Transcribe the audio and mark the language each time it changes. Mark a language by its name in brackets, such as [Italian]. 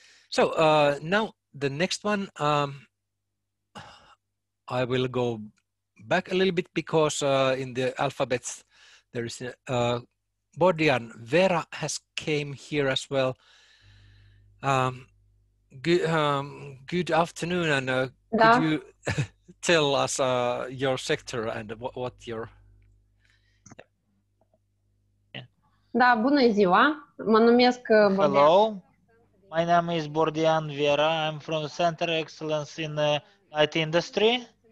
[English] So now, the next one, I will go back a little bit because in the alphabets, there is Bodian Vera has came here as well. Good afternoon, and could you tell us your sector and what your... [Romanian] Da, bună ziua, mă numesc Bodian. [English] Hello. My name is Bordian Vera. I'm from the Center of Excellence in the IT industry.